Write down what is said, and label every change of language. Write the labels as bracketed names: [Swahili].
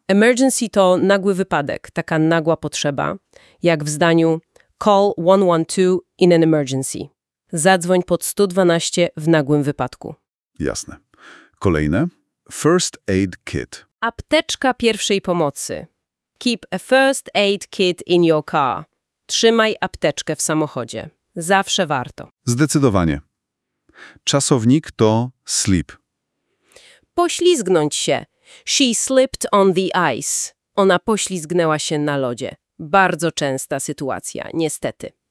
[Polish] Emergency to nagły wypadek, taka nagła potrzeba, jak w zdaniu [English] call 112 in an emergency. [Polish] Zadzwoń pod 112 w nagłym wypadku. Jasne. Kolejne. [English] First aid kit. [Polish] Apteczka pierwszej pomocy. [English] Keep a first aid kit in your car. [Polish] Trzymaj apteczkę w samochodzie. Zawsze warto. Zdecydowanie. Czasownik to slip. Poślizgnąć się. [English] She slipped on the ice. [Polish] Ona poślizgnęła się na lodzie. Bardzo częsta sytuacja, niestety.